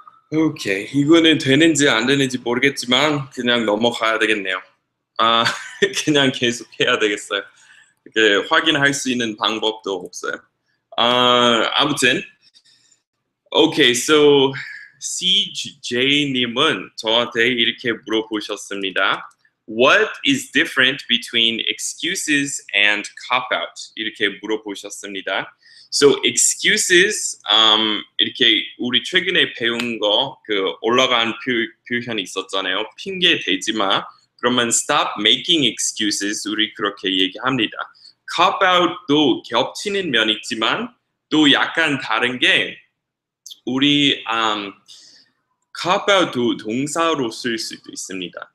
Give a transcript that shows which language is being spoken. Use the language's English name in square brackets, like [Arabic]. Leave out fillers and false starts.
[Korean] 오케이, 이거는 되는지 안 되는지 모르겠지만 그냥 넘어가야 되겠네요. 그냥 계속 해야 되겠어요. 이렇게 확인할 수 있는 방법도 없어요. 아무튼 오케이, so CJ님은 저한테 이렇게 물어보셨습니다. [English] What is different between excuses and cop-out? [Korean] 이렇게 물어보셨습니다. So excuses, 이렇게 우리 최근에 배운 거, 그 올라간 표현이 있었잖아요. 핑계 대지 마. 그러면 [English] stop making excuses, [Korean] 우리 그렇게 얘기합니다. Cop-out도 겹치는 면 있지만 또 약간 다른 게 우리 cop-out도 동사로 쓸 수도 있습니다.